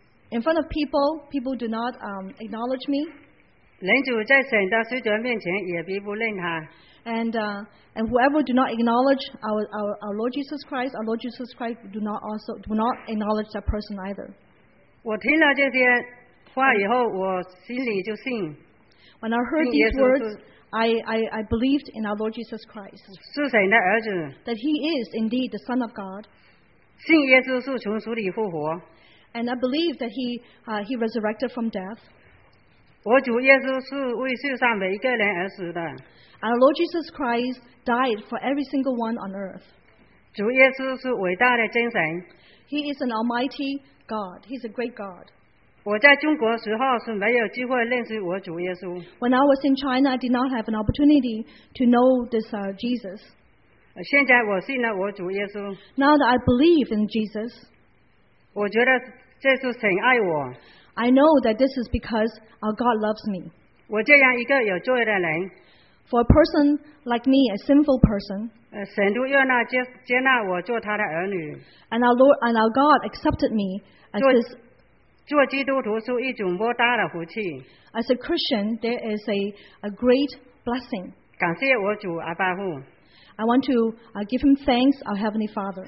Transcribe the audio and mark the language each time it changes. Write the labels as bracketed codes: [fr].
[en] in front of people do not acknowledge me. [zh] 人主在神的使者面前也必不认他。 [en] And whoever do not acknowledge our Lord Jesus Christ, our Lord Jesus Christ do not acknowledge that person either. [zh] 我听了这些话以后，我心里就信。 [en] When I heard these words, I believed in our Lord Jesus Christ. [zh] 是神的儿子, [en] that he is indeed the Son of God. [zh] 信耶稣是从死里复活, [en] and I believe that he resurrected from death. [zh] 我主耶稣是为世上每一个人而死的, [en] and our Lord Jesus Christ died for every single one on earth. [zh] 主耶稣是伟大的真神, [en] he is an almighty God. He's a great God. [zh] 我在中国时候是没有机会认识我主耶稣。 [en] When I was in China, I did not have an opportunity to know this Jesus. [zh] 现在我信了我主耶稣。 [en] Now that I believe in Jesus, [zh] 我觉得这是神爱我。 [en] I know that this is because our God loves me. [zh] 我这样一个有罪的人, [en] for a person like me, a sinful person, [zh] 神都悦纳接纳我做他的儿女。 [en] And our Lord and our God accepted me as his. [zh] 做基督徒是一种莫大的福气。 [en] As a Christian, there is a great blessing. [zh] 感谢我主阿爸父。 [en] I want to give him thanks, our Heavenly Father.